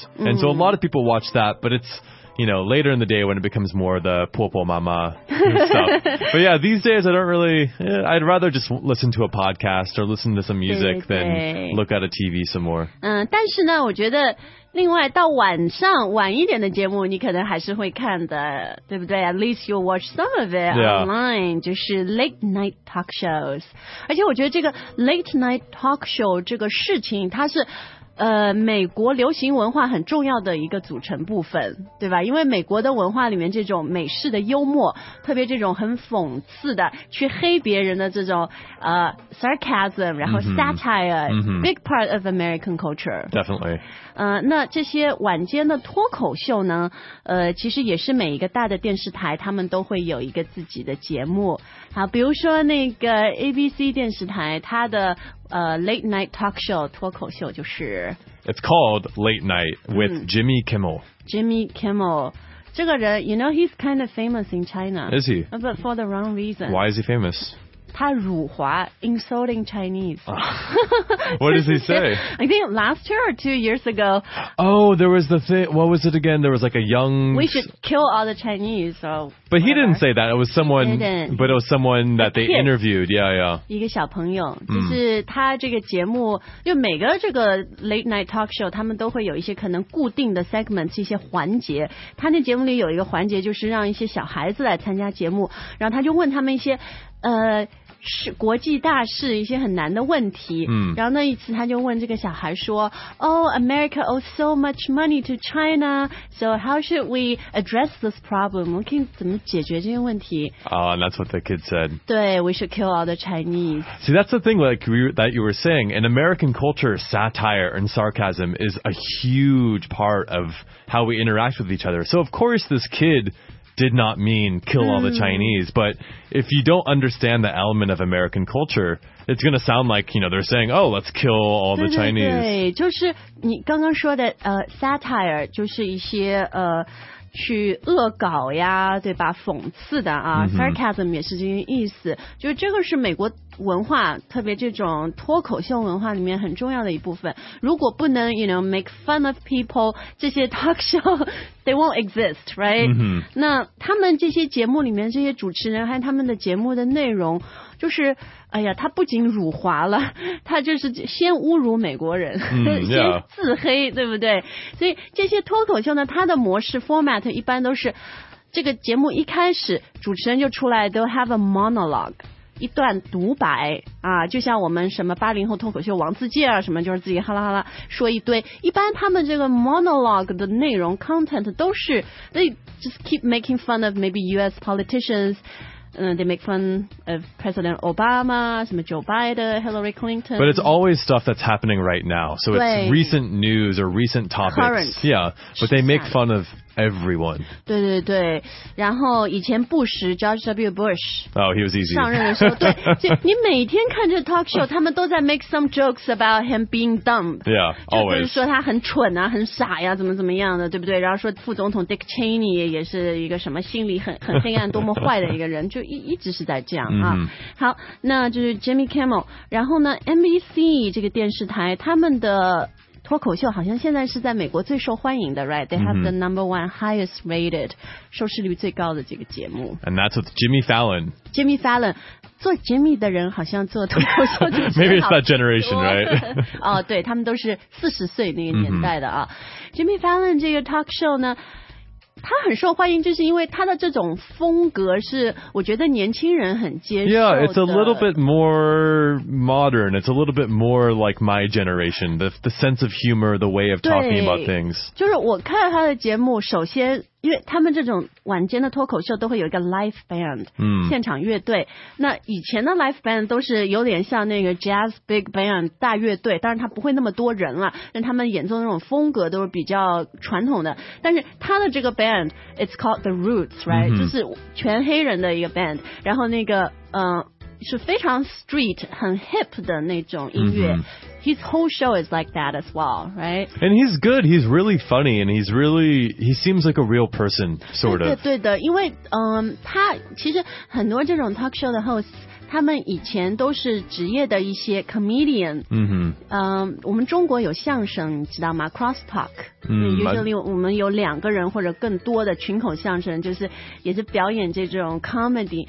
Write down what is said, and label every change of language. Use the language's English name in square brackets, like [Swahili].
[English] And so a lot of people watch that, but it's, you know, later in the day when it becomes more the [Chinese] 婆婆妈妈 [English] stuff. But yeah, these days I don't really, I'd rather just listen to a podcast or listen to some music [Chinese] 对对 [English] than look at a TV some more. [Chinese] 但是呢，我觉得另外到晚上晚一点的节目你可能还是会看的，对不对？ [English] At least you'll watch some of it online,、 yeah. [Chinese] 就是 [English] late night talk shows. [Chinese] 而且我觉得这个 late night talk show 这个事情它是美国流行文化很重要的一个组成部分，对吧？因为美国的文化里面这种美式的幽默，特别这种很讽刺的去黑别人的这种sarcasm, 然后 satire,、 [English] big part of American culture. Definitely. [Chinese] 那这些晚间的脱口秀呢，其实也是每一个大的电视台他们都会有一个自己的节目。好，比如说那个 ABC 电视台它的late night talk show 脱口秀就是 [English] It's called Late Night with Jimmy Kimmel. Jimmy Kimmel [Chinese] 这个人 [English] you know he's kind of famous in China. Is he? But for the wrong reason. Why is he famous? [Chinese] 他辱华 [English] insulting Chinese. What does he say? I think last year or 2 years ago. Oh, there was the thing. What was it again? There was like a young. We should kill all the Chinese. So. But he didn't say that. It was someone. But it was someone that they interviewed. Yeah, yeah. [Chinese] 一个小朋友，就是他这个节目，因为每个这个 late night talk show， 他们都会有一些可能固定的 segments， 一些环节。他那节目里有一个环节，就是让一些小孩子来参加节目，然后他就问他们一些。是国际大事一些很难的问题。然后那一次他就问这个小孩说 [English] Oh, America owes so much money to China. So how should we address this problem? [Chinese] 我们可以怎么解决这些问题 [English] Oh, and that's what the kid said. 对 we should kill all the Chinese. See, that's the thing like we, that you were saying. In American culture, satire and sarcasm is a huge part of how we interact with each other. So of course this kid... did not mean kill all the Chinese, but if you don't understand the element of American culture, it's going to sound like, you know, they're saying, oh, let's kill all the Chinese. [Chinese] 对, 对, 对就是你刚刚说的satire, 就是一些去恶搞呀对吧讽刺的啊、sarcasm 也是这个意思就是这个是美国文化特别这种脱口秀文化里面很重要的一部分如果不能 [English] you know, make fun of people [Chinese] 这些 talk show [English] they won't exist right、 [Chinese] 那他们这些节目里面这些主持人还有他们的节目的内容就是哎呀他不仅辱华了他就是先侮辱美国人、先自黑、对不对所以这些脱口秀呢他的模式 format 一般都是这个节目一开始主持人就出来都 [English] have a monologue [Chinese] 一段独白啊，就像我们什么八零后脱口秀王自健啊什么，就是自己哈啦哈啦说一堆。一般他们这个 monologue 的内容 content 都是 [English] they just keep making fun of maybe U.S. politicians， 嗯、，they make fun of President Obama， 什么 Joe Biden， Hillary Clinton。 But it's always stuff that's happening right now， so it's recent news or recent topics。 Current， yeah， but they make fun of everyone。 [Chinese] 对对对，然后以前布什 George W. [English] Bush。 Oh， he was easy。 [Chinese] 上任的时候，对，你每天看这 talk show， 他们都在 [English] make some jokes about him being dumb。 Yeah， always。 [Chinese] 就是说他很蠢啊，很傻呀、啊，怎么怎么样的，对不对？然后说副总统 Dick Cheney 也是一个什么心理很黑暗、多么坏的一个人，就一直是在这样啊。 [English] Mm-hmm. [Chinese] 好，那就是 Jimmy Kimmel， 然后呢 ，NBC 这个电视台他们的。脱口秀好像现在是在美国最受欢迎的 [English] right? They have the number one highest rated [Chinese] 收视率最高的这个节目 [English] And that's with Jimmy Fallon [Chinese] Jimmy Fallon 做 Jimmy 的人好像做脱口秀就 [English] Maybe it's that generation right? [Chinese] 哦对他们都是40岁那个年代的啊、mm-hmm. Jimmy Fallon 这个 talk show 呢他很受欢迎就是因为他的这种风格是我觉得年轻人很接受的 [English] Yeah, it's a little bit more modern. It's a little bit more like my generation. The sense of humor, the way of talking about things. [Chinese] 就是我看他的节目首先因为他们这种晚间的脱口秀都会有一个 live band、嗯、现场乐队那以前的 live band 都是有点像那个 jazz big band 大乐队当然他不会那么多人了但他们演奏的那种风格都是比较传统的但是他的这个 band [English] it's called the roots right、 [Chinese] 嗯、就是全黑人的一个 band 然后那个是非常 street 很 hip 的那种音乐、嗯、 [English] His whole show is like that as well right? And he's good He's really funny And he's really He seems like a real person Sort [Chinese] 的 [English] of [Chinese] 对的因为、他其实很多这种 talk show 的 host 他们以前都是职业的一些 comedian 嗯、我们中国有相声你知道吗 cross talk、嗯、 usually 我们有两个人或者更多的群口相声就是也是表演这种 comedy、